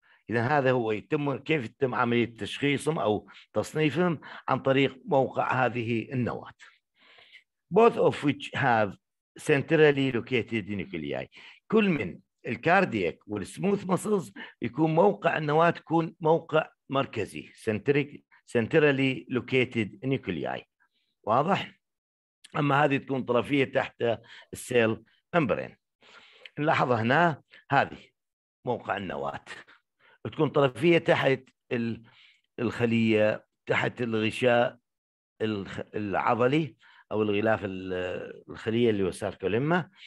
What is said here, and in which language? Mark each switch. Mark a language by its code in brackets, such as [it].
[ar] إذا هذا هو يتم، كيف يتم عملية تشخيصهم أو تصنيفهم؟ عن طريق موقع هذه النواة. [en] Both of which have centrally located nuclei. [ar] كل من الكاردياك والسموث مسلز يكون موقع النواة تكون موقع مركزي، [en] centrally located nuclei. [ar] واضح؟ أما هذه تكون طرفية تحت السيل ممبرين. نلاحظ هنا هذه موقع النواة تكون طرفية تحت الخلية، تحت الغشاء العضلي أو الغلاف الخلية اللي هو الساركوليما.